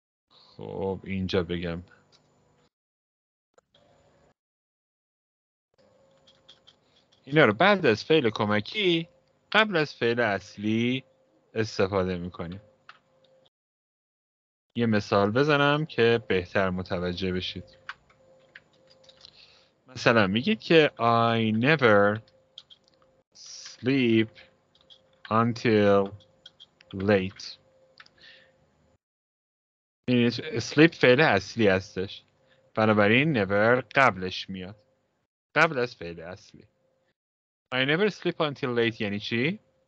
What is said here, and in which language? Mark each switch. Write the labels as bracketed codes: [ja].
[fa] خب اینجا بگم اینا رو بعد از فعل کمکی قبل از فعل اصلی استفاده میکنیم. یه مثال بزنم که بهتر متوجه بشید. مثلا میگید که [en] I never sleep until late. [fa] sleep فعل اصلی هستش، بنابراین never قبلش میاد، قبل از فعل اصلی. [en] I never sleep until late [fa] یعنی چی؟